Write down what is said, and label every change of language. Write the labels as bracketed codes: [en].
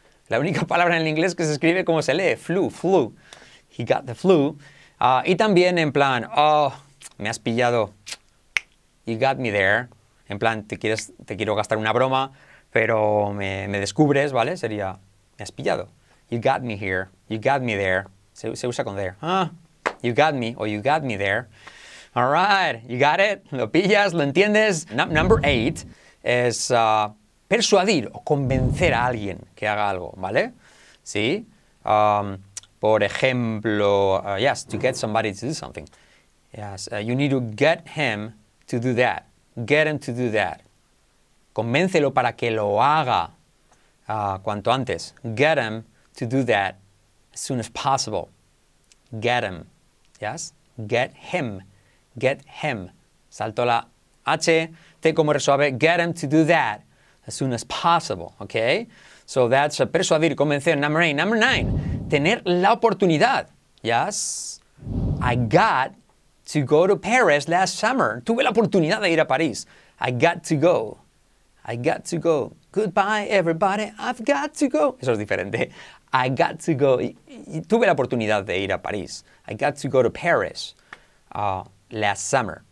[es] La única palabra en el inglés que se escribe como se lee, flu, flu. [en] He got the flu. [es] Y también en plan, oh, me has pillado. [en] You got me there. [es] En plan, te quiero gastar una broma, pero me descubres, ¿vale? Sería, me has pillado. [en] You got me here. You got me there. [es] Se usa con there. [en] Ah, you got me or you got me there. All right, you got it. [es] Lo pillas, lo entiendes. [en] Number eight [es] es persuadir o convencer a alguien que haga algo, ¿vale? [en] Sí. [es] Por ejemplo, [en] yes, to get somebody to do something. Yes, you need to get him to do that. Get him to do that. [es] Convéncelo para que lo haga cuanto antes. [en] Get him to do that as soon as possible. Get him. Yes? Get him. Get him. [es] Salto la H, T como resuave. [en] Get him to do that as soon as possible. Okay? So that's a [es] persuadir, convencer. [en] Number eight. Number nine. [es] Tener la oportunidad. [en] Yes? I got to go to Paris last summer. [es] Tuve la oportunidad de ir a París. [en] I got to go. I got to go. Goodbye, everybody. I've got to go. [es] Eso es diferente. [en] I got to go. [es] Y tuve la oportunidad de ir a París. [en] I got to go to Paris last summer.